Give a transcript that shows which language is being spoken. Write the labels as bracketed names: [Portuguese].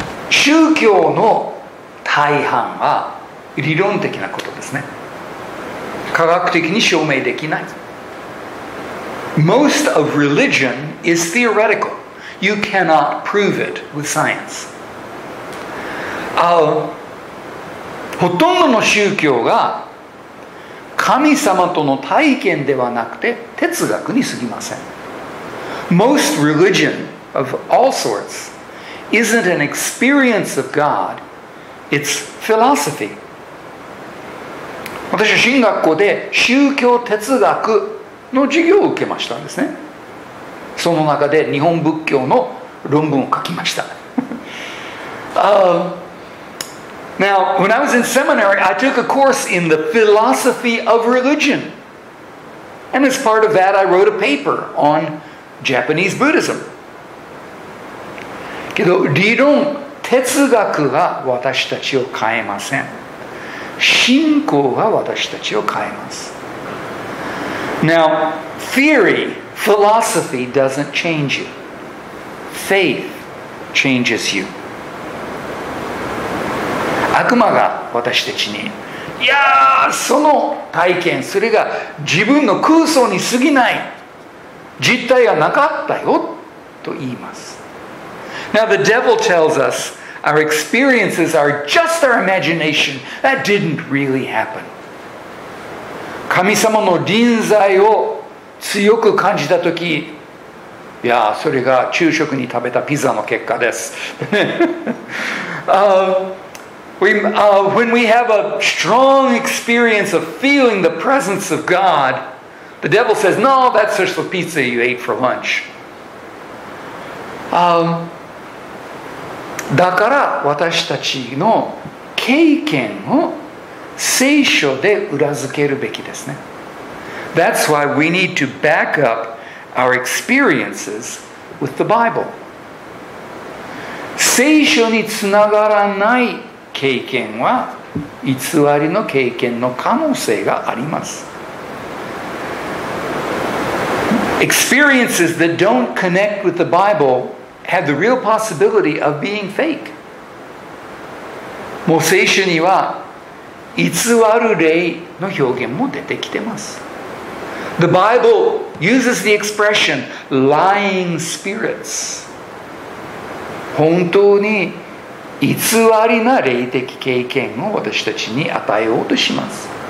[Japanese] 宗教の大半は理論的なことですね。科学的に証明できない。 [English] Most of religion is theoretical. You cannot prove it with science. [Japanese] 会う。ほとんどの宗教が神様との体験ではなくて哲学に過ぎません。 [English] Most religion of all sorts isn't an experience of God, it's philosophy. [Japanese] 私は神学校で宗教哲学の授業を受けましたんですね。その中で日本仏教の論文を書きました。 [English] Now, when I was in seminary, I took a course in the philosophy of religion. And as part of that, I wrote a paper on Japanese Buddhism. [Japanese] けど、理論、哲学が私たちを変えません。信仰が私たちを変えます。 [English] Now, theory, philosophy doesn't change you. Faith changes you. [Japanese] 悪魔が私たちに、いやーその体験、それが自分の空想に過ぎない、実体がなかったよと言います。 [English] Now the devil tells us our experiences are just our imagination. That didn't really happen. [Japanese] 神様の臨在を強く感じたとき、いやーそれが昼食に食べたピザの結果です。 [English] When we have a strong experience of feeling the presence of God, the devil says, no, that's just the pizza you ate for lunch. [Japanese] だから私たちの経験を聖書で裏付けるべきですね。 [English] That's why we need to back up our experiences with the Bible. [Japanese] 聖書につながらない経験は偽りの経験の可能性があります。 [English] Experiences that don't connect with the Bible have the real possibility of being fake. [Japanese] もう聖書には偽る例の表現も出てきてます。 [English] The Bible uses the expression lying spirits. [Japanese] 本当に偽りな霊的経験を私たちに与えようとします。